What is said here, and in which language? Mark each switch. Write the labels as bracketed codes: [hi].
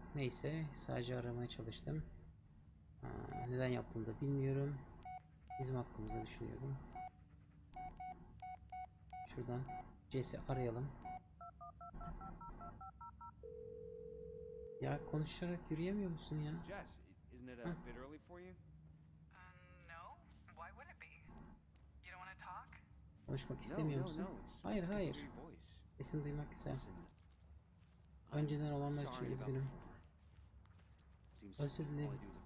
[tr] Neyse, sadece aramaya çalıştım. Neden yaptığını da bilmiyorum. Bizim hakkımızı düşünüyorum. Şuradan Jesse arayalım. Ya konuşarak yürüyemiyor musun ya? [en] Jess, isn't it a bit early for you? No. Why would it be? You don't want to talk? [tr] Konuşmak istemiyor musun? Hayır, hayır. Sesini duymak güzel. Önceden olanlar için üzgünüm. Özür dilerim.